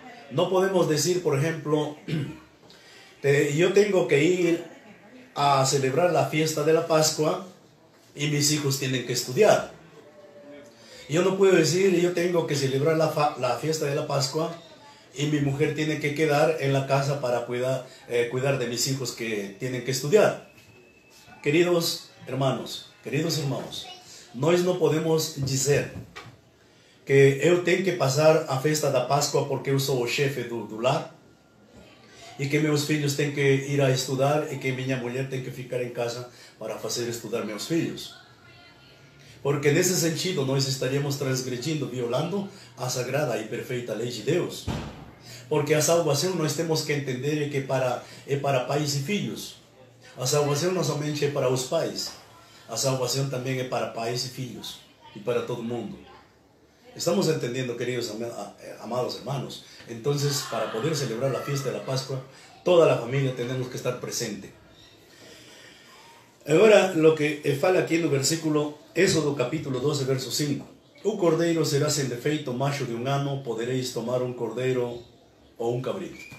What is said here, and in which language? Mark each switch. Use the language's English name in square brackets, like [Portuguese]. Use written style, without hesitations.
[Spanish] No podemos decir, por ejemplo, yo tengo que ir a celebrar la fiesta de la Pascua y mis hijos tienen que estudiar. Yo no puedo decir, yo tengo que celebrar la fiesta de la Pascua y mi mujer tiene que quedar en la casa para cuidar de mis hijos que tienen que estudiar. Queridos hermanos, no es no [Portuguese] podemos dizer que eu tenho que passar a festa da Páscoa porque eu sou o chefe do lar e que meus filhos têm que ir a estudar e que minha mulher tem que ficar em casa para fazer estudar meus filhos. Porque nesse sentido nós estaríamos transgredindo, violando a sagrada e perfeita lei de Deus. Porque a salvação nós temos que entender que é para pais e filhos. A salvação não somente é para os pais, a salvação também é para pais e filhos e para todo mundo. [Spanish] Estamos entendiendo, queridos amados hermanos. Entonces, para poder celebrar la fiesta de la Pascua, toda la familia tenemos que estar presente. Ahora, lo que fala aquí en el versículo, Éxodo capítulo 12, verso 5. Un cordero será sin defecto, macho de un año, podréis tomar un cordero o un cabrito.